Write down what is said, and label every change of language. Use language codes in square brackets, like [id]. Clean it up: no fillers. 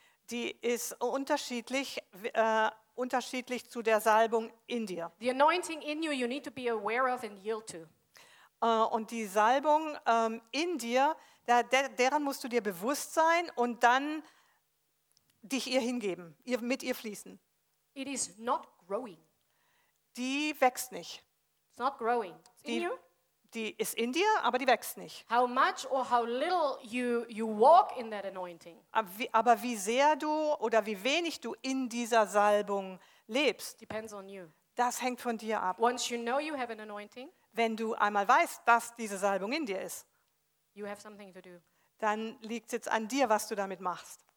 [de] Die ist unterschiedlich, unterschiedlich zu der Salbung in dir. [en] The anointing in you, you need to be aware of and yield to. [de] Und die Salbung in dir, deren musst du dir bewusst sein und dann dich ihr hingeben, mit ihr fließen. [en] It is not growing. [de] Die wächst nicht. [en] It's not growing. It's in you. [de] Die ist in dir, aber die wächst nicht. [en] How much or how little you walk in that anointing. [de] Aber wie sehr du oder wie wenig du in dieser Salbung lebst, [en] depends on you. [de] Das hängt von dir ab. [en] Once you know you have an anointing, [de] wenn du einmal weißt, dass diese Salbung in dir ist, [en] you have something to do. [de] Dann liegt es jetzt an dir, was du damit machst.